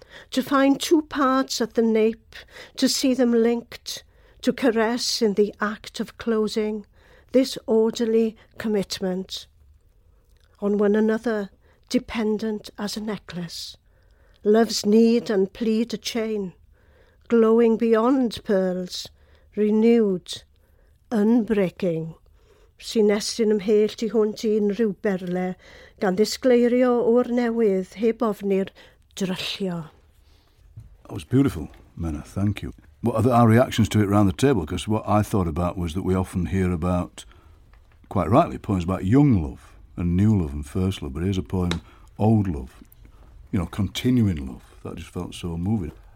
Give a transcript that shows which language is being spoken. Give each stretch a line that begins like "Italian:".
English: To find two parts at the nape, to see them linked, to caress in the act of closing this orderly commitment. On one another, dependent as a necklace. Love's need and plead a chain, glowing beyond pearls, renewed, unbreaking.
Welsh: Sy'n estyn ymhell tu hwnt i unrhyw berle, gan ddisgleirio o'r newydd heb ofni'r dryllio.
English: That was beautiful, Mena, thank you. What are our reactions to it round the table? Because what I thought about was that we often hear about, quite rightly, poems about young love. And new love and first love, but here's a poem, old love, you know, continuing love. That just felt so moving.